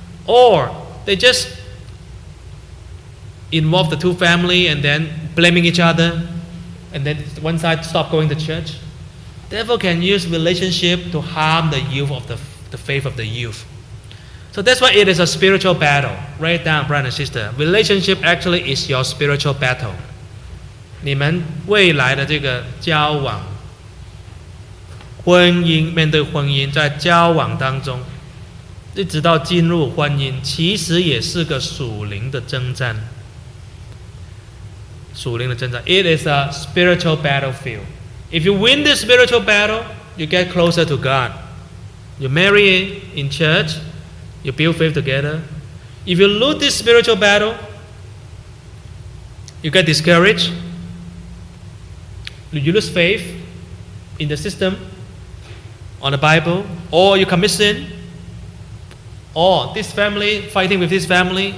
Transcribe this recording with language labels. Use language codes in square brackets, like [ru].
[en] Or they just involve the two family and then blaming each other, and then one side stop going to church. The devil can use relationship to harm the youth of the faith of the youth. So that's why it is a spiritual battle. Write it down, brother and sister. Relationship actually is your spiritual battle. [zh] 你们未来的这个交往, 婚姻, 面对婚姻, 在交往当中, 一直到进入婚姻, 其实也是个属灵的征战。属灵的征战, [en] it is a spiritual battlefield. If you win this spiritual battle, you get closer to God. You marry in church, you build faith together. If you lose this spiritual battle, you get discouraged, you lose faith in the system, on the Bible, or you commit sin, or this family fighting with this family.